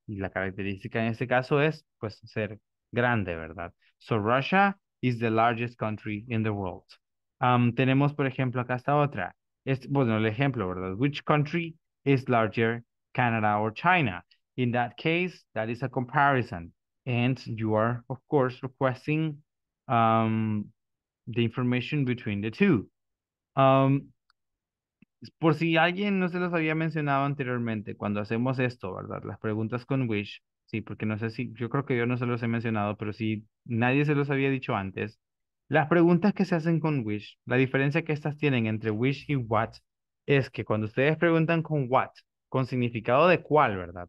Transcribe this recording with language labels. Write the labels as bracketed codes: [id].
[es] Y la característica en este caso es, pues, ser grande, ¿verdad? [en] So Russia is the largest country in the world. [es] Tenemos, por ejemplo, acá esta otra. Este, bueno, el ejemplo, ¿verdad? [en] Which country is larger, Canada or China? In that case, that is a comparison. And you are, of course, requesting the information between the two. [es] Por si alguien no se los había mencionado anteriormente, cuando hacemos esto, ¿verdad? Las preguntas con which, sí, porque no sé si, yo creo que yo no se los he mencionado, pero si nadie se los había dicho antes, las preguntas que se hacen con which, la diferencia que estas tienen entre which y what, es que cuando ustedes preguntan con what, con significado de cuál, ¿verdad?